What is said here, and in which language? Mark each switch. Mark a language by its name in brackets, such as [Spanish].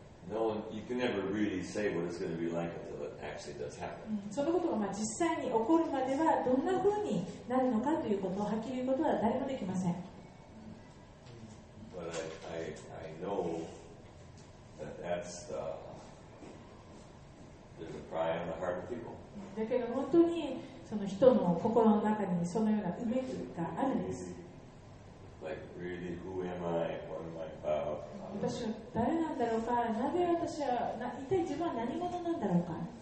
[English] No, you can never really say what it's going to be like until it actually does happen. [Japanese] そのことがまあ実際に起こるまではどんな風になるのかということをはっきり言うことは誰もできません。 [English] But I know that that's there's a cry in the heart of people. [Japanese] だけど本当にその人の心の中にそのような埋めくがあるんです。 [English] Like really, who am I? What am I about? [Japanese] 私は誰なんだろうか、なぜ私は一体自分は何者なんだろうか。